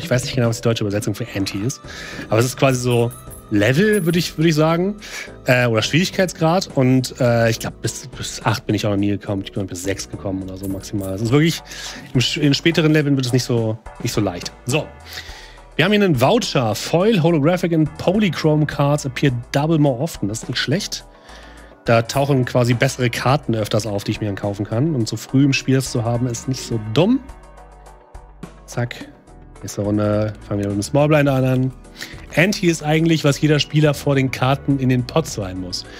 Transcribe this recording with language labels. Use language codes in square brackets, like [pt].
[de] Ich weiß nicht genau, was die deutsche Übersetzung für Anti ist. Aber es ist quasi so Level, würde ich sagen. Oder Schwierigkeitsgrad. Und ich glaube, bis 8 bin ich auch noch nie gekommen. Ich bin bis 6 gekommen oder so maximal. Es ist wirklich, in späteren Leveln wird es nicht so leicht. So. Wir haben hier einen Voucher. [en] Foil, Holographic and Polychrome Cards appear double more often. [de] Das ist nicht schlecht. Da tauchen quasi bessere Karten öfters auf, die ich mir dann kaufen kann. Und so früh im Spiel das zu haben, ist nicht so dumm. Zack. Nächste Runde fangen wir mit dem Small Blind an. Anti ist eigentlich, was jeder Spieler vor den Karten in den Pot sein muss.